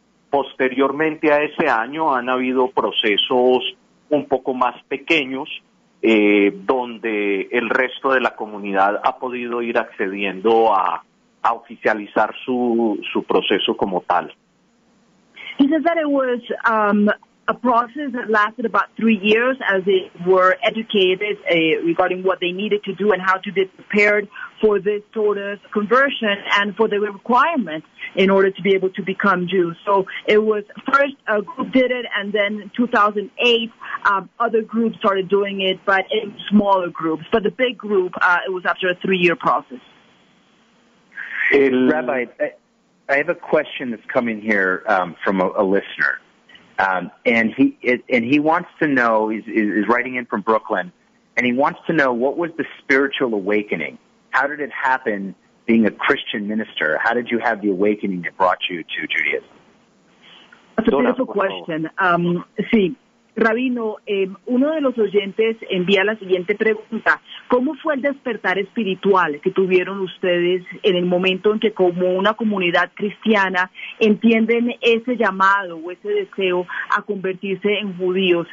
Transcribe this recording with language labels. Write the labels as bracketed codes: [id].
[es] Posteriormente a ese año han habido procesos un poco más pequeños, donde el resto de la comunidad ha podido ir accediendo a oficializar su proceso como tal. [en] He says that it was a process that lasted about 3 years as they were educated regarding what they needed to do and how to be prepared for this sort of conversion and for the requirements in order to be able to become Jews. So it was first a group did it, and then in 2008 other groups started doing it, but in smaller groups. But the big group, it was after a three-year process. Rabbi, I have a question that's coming here from a listener. And he wants to know, he's writing in from Brooklyn, and he wants to know, what was the spiritual awakening? How did it happen being a Christian minister? How did you have the awakening that brought you to Judaism? That's a beautiful question. [es] Sí, Rabino, uno de los oyentes envía la siguiente pregunta. ¿Cómo fue el despertar espiritual que tuvieron ustedes en el momento en que como una comunidad cristiana entienden ese llamado o ese deseo a convertirse en judíos?